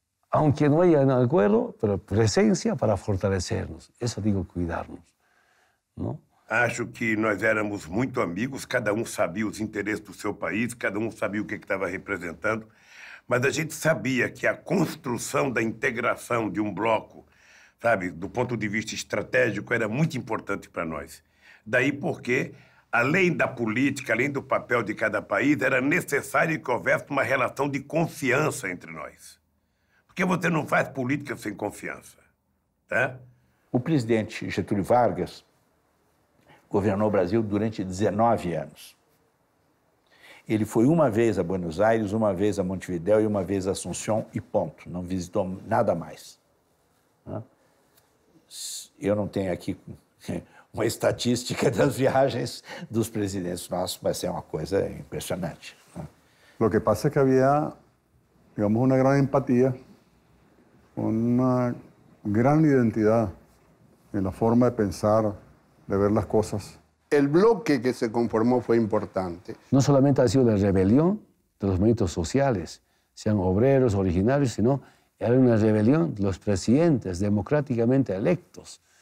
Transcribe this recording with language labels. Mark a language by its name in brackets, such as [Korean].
[Spanish] Aunque no haya nada de acuerdo, pero presencia para fortalecernos. Eso digo, cuidarnos. ¿No? [Portuguese] Acho que nós éramos muito amigos, cada um sabia os interesses do seu país, cada um sabia o que estava representando, mas a gente sabia que a construção da integração de um bloco, sabe, do ponto de vista estratégico, era muito importante para nós. Daí porque... Além da política, além do papel de cada país, era necessário que houvesse uma relação de confiança entre nós. Porque você não faz política sem confiança, tá? O presidente Getúlio Vargas governou o Brasil durante 19 anos. Ele foi uma vez a Buenos Aires, uma vez a Montevideo e uma vez a Assunção e ponto. Não visitou nada mais. Eu não tenho aqui... uma estatística das viagens dos presidentes nossos, vai ser uma coisa impressionante. [Spanish] Lo que pasa es que había, digamos, una gran empatía, una gran identidad en la forma de pensar, de ver las cosas. El bloque que se conformó fue importante. No solamente ha sido la rebelión de los movimientos sociales, sean obreros, originarios, sino era una rebelión de los presidentes democráticamente electos.